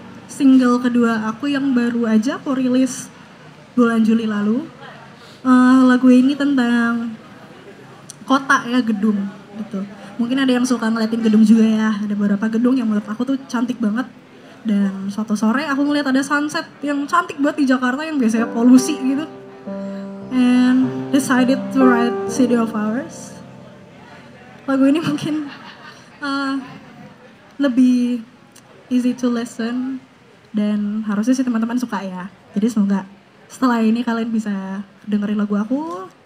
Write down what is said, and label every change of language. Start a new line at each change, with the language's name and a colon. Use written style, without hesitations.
Indonesian: Aku yang baru aja aku rilis bulan Juli lalu. Lagu ini tentang kota ya, gedung gitu. Mungkin ada yang suka ngeliatin gedung juga ya. Ada beberapa gedung yang menurut aku tuh cantik banget. Dan suatu sore aku ngeliat ada sunset yang cantik banget di Jakarta yang biasanya polusi gitu.
English: And decided to write City of Ours.
Indonesian: Lagu ini mungkin lebih
English: easy to listen.
Indonesian: Dan harusnya sih teman-teman suka ya. Jadi semoga setelah ini kalian bisa dengerin lagu aku.